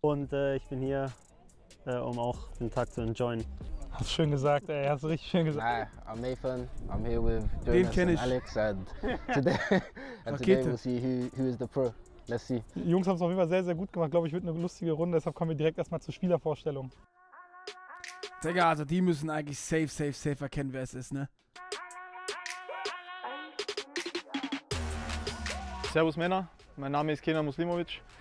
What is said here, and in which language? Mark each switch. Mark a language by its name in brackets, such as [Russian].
[German] Und ich bin hier, um auch den Tag zu enjoyen. Hast schön gesagt, ey. Hast du richtig schön gesagt. [English] Hi, I'm Nathan. I'm here with Jonas and Alex. And today we'll see who is the pro. Let's see. [German] Die Jungs haben es auf jeden Fall sehr, sehr gut gemacht. Ich glaube, ich wird eine lustige Runde. Deshalb kommen wir direkt erstmal zur Spielervorstellung. Digga, also die müssen eigentlich safe erkennen, wer es ist, ne? Servus Männer, mein Name ist Kenan Muslimovic.